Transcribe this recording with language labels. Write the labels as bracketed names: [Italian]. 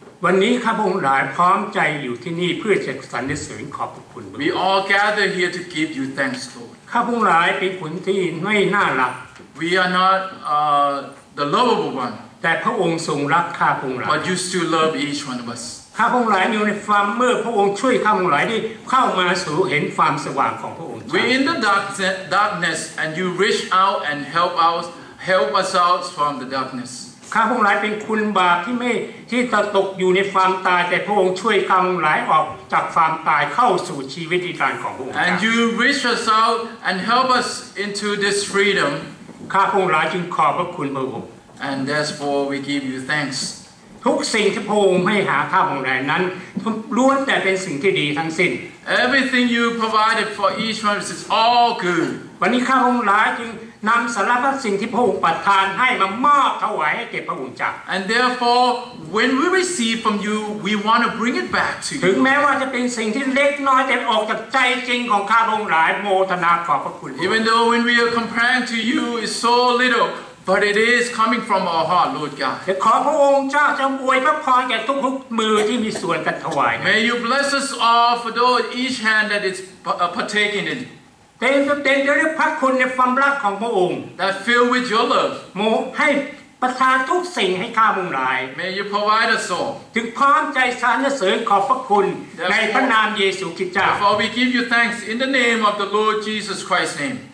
[Thai] วันนี้ข้าพระองค์หลายพร้อมใจอยู่ที่นี่เพื่อจะสรรเสริญขอบพระคุณ [English] We all gather here to give you thanks, Lord. [Thai] ข้าพระองค์หลายเป็นคนที่ไม่น่ารัก [English] We are not the lovable one. [Thai] แต่พระองค์ทรงรักข้าพระองค์หลาย [English] But you still love each one of us. [Thai] ข้าพระองค์หลายอยู่ในความมืดพระองค์ช่วยข้าพระองค์หลายได้เข้ามาสู่เห็นความสว่างของพระองค์ [English] We in the darkness and you reach out and help us out from the darkness. [Thai] ข้าพงหลายเป็นคุณบาปที่ไม่ที่จะตกอยู่ในความตายแต่พระองค์ช่วยข้าพงหลายออกจากความตายเข้าสู่ชีวิตอิสระของพระองค์ [English] And you reach us out and help us into this freedom [Thai] ข้าพงหลายจึงขอบพระคุณพระองค์ [English] And therefore we give you thanks [Thai] ทุกสิ่งที่พระองค์ให้หาข้าพงหลายนั้นล้วนแต่เป็นสิ่งที่ดีทั้งสิ้น [English] Everything you provided for each one is all good [Thai] วันนี้ข้าพงหลายจึงนำสารพัดสิ่งที่พระองค์ประทานให้มามอบถวายให้แก่พระองค์จัก [English] And therefore when we receive from you we want to bring it back to you [Thai] ถึงแม้ว่าจะเป็นสิ่งที่เล็กน้อยแต่ออกจากใจจริงของข้าพระองค์หลายโมทนาขอบพระคุณ [English] Even though when we are comparing to you is so little but it is coming from our heart Lord God [Thai] ขอพระองค์เจ้าจะอวยพระพรแก่ทุกมือที่มีส่วนกันถวาย [English] May you bless us all for those each hand that is partaking in [Thai] เต็มด้วยพระคุณในความรักของพระองค์ [English] That filled with your love [Thai] โมให้ประทานทุกสิ่งให้ข้าพระองค์หลาย [English] May you provide us all [Thai] ถึงพร้อมใจสรรเสริญขอบพระคุณในพระนามเยซูคริสต์เจ้า [English] Therefore we give you thanks in the name of the Lord Jesus Christ's name